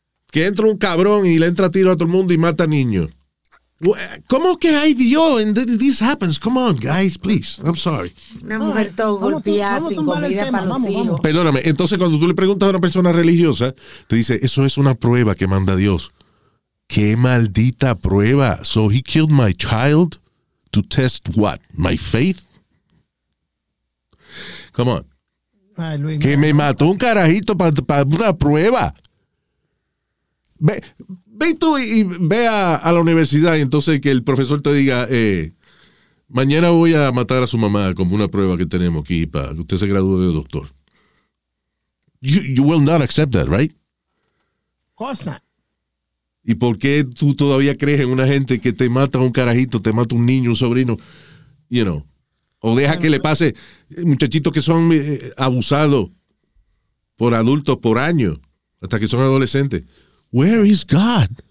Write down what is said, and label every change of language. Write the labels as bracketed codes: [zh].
[es] Que entra un cabrón y le entra tiro a todo el mundo y mata niños. ¿Cómo que hay Dios? [en] And this happens. Come on, guys, please. I'm sorry. [es] Una mujer todo golpeada sin comida para los hijos. Perdóname. Entonces, cuando tú le preguntas a una persona religiosa, te dice: eso es una prueba que manda Dios. ¡Qué maldita prueba! [en] So he killed my child to test what? My faith? Come on. [es] Que me mató un carajito para una prueba. Ve tú y ve a la universidad y entonces que el profesor te diga, mañana voy a matar a su mamá como una prueba que tenemos aquí para que usted se gradúe de doctor. [en] You will not accept that, right? [es] Cosa. ¿Y por qué tú todavía crees en una gente que te mata a un carajito, te mata un niño, un sobrino? [en] You know. [es] O deja que le pase muchachitos que son abusados por adultos por años, hasta que son adolescentes. [en] Where is God?